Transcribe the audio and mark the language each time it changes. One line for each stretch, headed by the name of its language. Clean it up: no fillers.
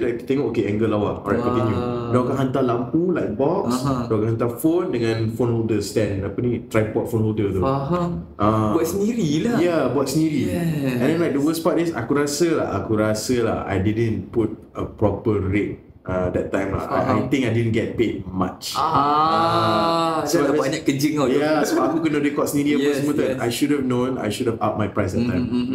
Malay: Director tengok, okay angle lawa.
English: Alright, continue.
Malay: Diorang akan hantar lampu, light box. Diorang akan hantar phone dengan phone holder stand. Apa ni, tripod phone holder tu. Buat sendiri lah. Buat sendiri.
English: Yes. And then like the worst part is
Malay: aku rasa lah
English: I didn't put a proper rate. That time lah, I think I didn't get paid much.
Malay: Saya dapat banyak kerja kau. So aku kena record sendiri apa semua tu.
English: I should have known, I should have up my price at time.